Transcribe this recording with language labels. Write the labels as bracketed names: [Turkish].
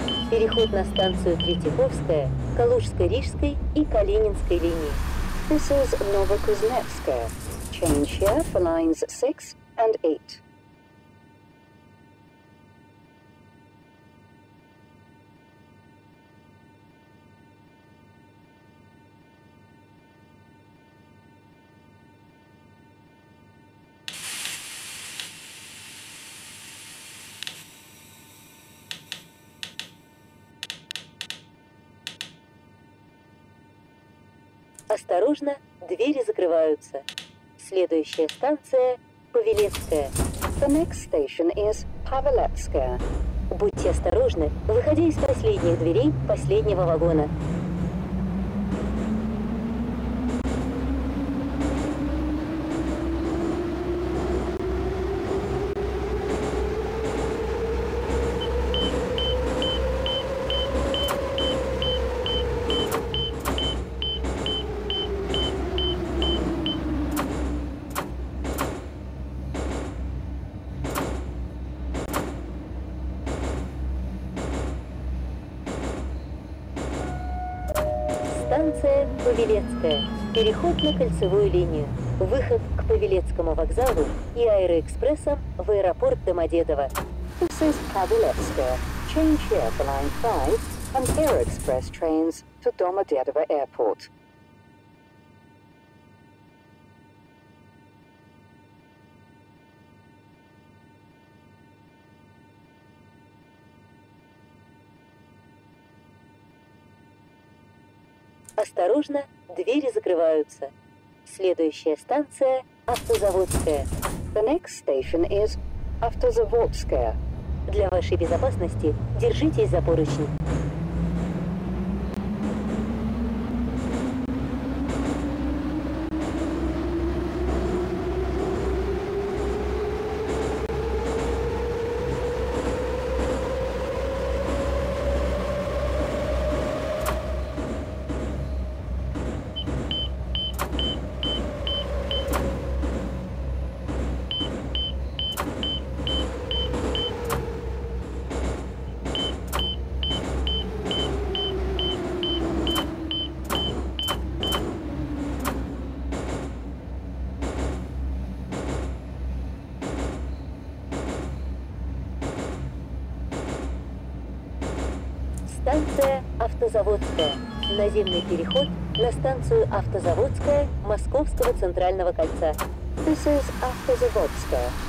[Russian] Переход на станцию Третьяковская, Калужско-Рижской и Калининской линии. [English] This is Новокузнецкая. Change here for lines 6 and 8. [Russian] Осторожно, двери закрываются. Следующая станция – Павелецкая. [English] The next station is Павелецкая. [Russian] Будьте осторожны, выходя из последних дверей последнего вагона. Осторожно. Павелецкая. Переход на кольцевую линию. Выход к Павелецкому вокзалу и аэроэкспрессам в аэропорт Домодедово. [English] This is Павелецкая. Change here for line 5 and aeroexpress trains to Domodedovo Airport. [Russian] Осторожно, двери закрываются. Следующая станция – Автозаводская. [English] The next station is Автозаводская. [Russian] Для вашей безопасности держитесь за поручни. Автозаводская. Наземный переход на станцию Автозаводская Московского центрального кольца. [English] This is Автозаводская.